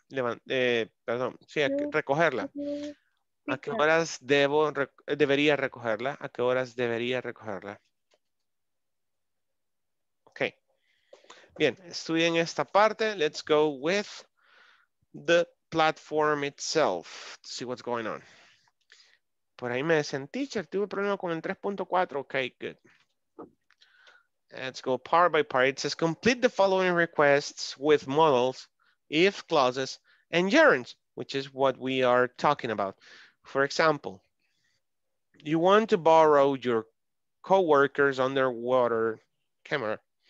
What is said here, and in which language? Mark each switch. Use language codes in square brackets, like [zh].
[es] Recogerla. ¿A qué horas debería recogerla? ¿A qué horas debería recogerla? Okay. Bien, estudien esta parte. [en] Let's go with the platform itself to see what's going on. [es] Por ahí me decían, teacher, tuve problema con el 3.4. [en] Okay, good. Let's go part by part. It says, complete the following requests with models, if clauses, and gerunds, which is what we are talking about. For example, you want to borrow your coworker's underwater camera.